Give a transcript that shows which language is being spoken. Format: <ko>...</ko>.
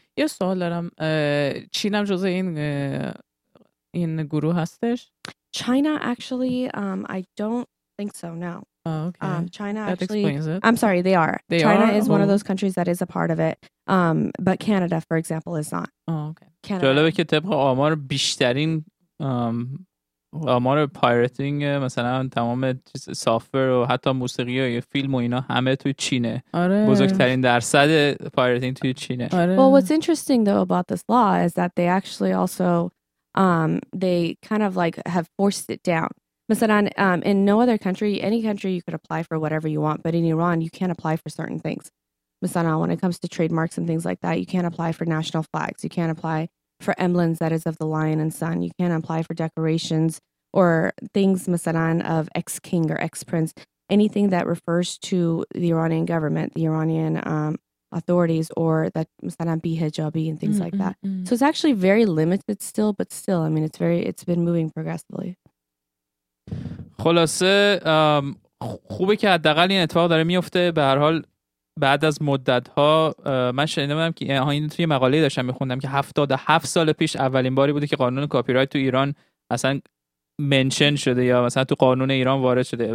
<fa>یه سوال دارم. چین هم جزء این گروه هستش؟</fa> <en>China actually, I don't think so, no. Oh, okay. China actually, I'm sorry, they are. China is one of those countries that is a part of it. But Canada, for example, is not. Oh, okay. Canada.</en> <fa>جالبه که طبق آمار بیشترین آمار پایرتینگ مثلا تمام سافتور و حتی موسیقی و فیلم و اینا همه توی چینه. آره. بزرگترین درصد پایرتینگ توی چینه. آره.</fa> <en>Well, what's interesting though about this law is that they actually also they kind of like have forced it down. Masalan, in no other country, any country, you could apply for whatever you want. But in Iran, you can't apply for certain things. Masalan, when it comes to trademarks and things like that, you can't apply for national flags. You can't apply for emblems that is of the lion and sun. You can't apply for decorations or things, masalan, of ex-king or ex-prince. Anything that refers to the Iranian government, the Iranian authorities, or that masalan be hijabi and things like that. So it's actually very limited still, but still, I mean, it's been moving progressively.</en> <fa>خلاصه خوبه که حداقل این اتفاق داره میفته. به هر حال بعد از مدت ها من شنیده بودم که این توی مقاله داشتم میخوندم که 77 سال پیش اولین باری بوده که قانون کپی رایت تو ایران اصلا منشن شده یا مثلا تو قانون ایران وارد شده.</fa>